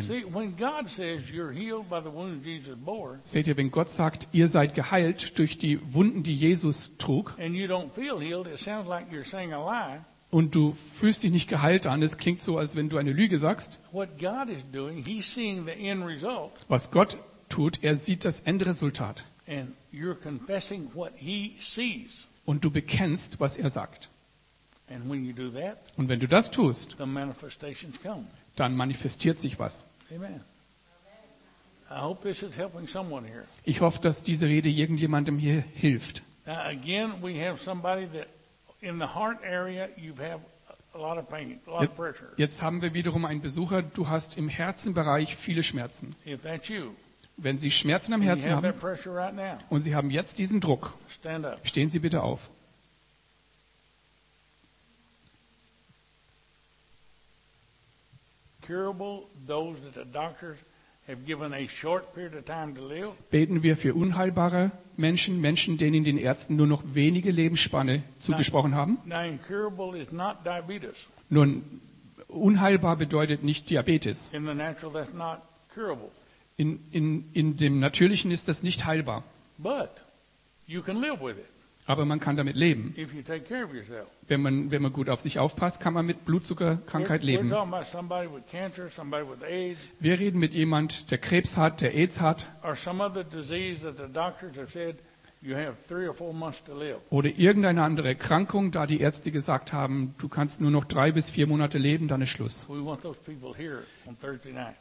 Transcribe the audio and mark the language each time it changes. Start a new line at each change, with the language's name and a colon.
English: See, when God says you're healed by the wounds Jesus bore,
German: seht ihr, wenn Gott sagt, ihr seid geheilt durch die Wunden, die Jesus trug,
English: and you don't feel healed, it sounds like you're saying a lie.
German: Und du fühlst dich nicht geheilt an, es klingt so, als wenn du eine Lüge sagst.
English: What God is doing, he's seeing the end result.
German: Was Gott tut, er sieht das Endresultat.
English: And you're confessing what he sees.
German: Und du bekennst, was er sagt.
English: And when you do that,
German: und wenn du das tust,
English: the manifestations come.
German: Dann manifestiert sich was.
English: Amen. I hope this is helping someone here.
German: Ich hoffe, dass diese Rede irgendjemandem hier hilft.
English: Now again, we have somebody that in the heart area you have a lot of pain, a lot of pressure.
German: Jetzt haben wir wiederum einen Besucher, du hast im Herzenbereich viele Schmerzen.
English: If that's you,
German: wenn Sie Schmerzen am Herzen haben
English: right now,
German: und Sie haben jetzt diesen Druck,
English: stand up.
German: Stehen Sie bitte auf.
English: Curable those that the doctors have given a short period of time to live.
German: Beten wir für unheilbare Menschen, Menschen, denen den Ärzten nur noch wenige Lebensspanne zugesprochen haben.
English: Now, incurable is not diabetes.
German: Nun, unheilbar bedeutet nicht Diabetes.
English: In the natural, that's not curable.
German: In dem Natürlichen ist das nicht heilbar.
English: But you can live with it.
German: Aber man kann damit leben.
English: If you take care of yourself.
German: Wenn man gut auf sich aufpasst, kann man mit Blutzuckerkrankheit leben.
English: We're talking about somebody with cancer, somebody with AIDS.
German: Wir reden mit jemand, der Krebs hat, der AIDS hat.
English: Or some other disease that the doctors have said you have 3 or 4 months to live.
German: Oder irgendeine andere Erkrankung, da die Ärzte gesagt haben, du kannst nur noch 3 bis 4 Monate leben, dann ist Schluss.
English: We want those people here on Thursday night.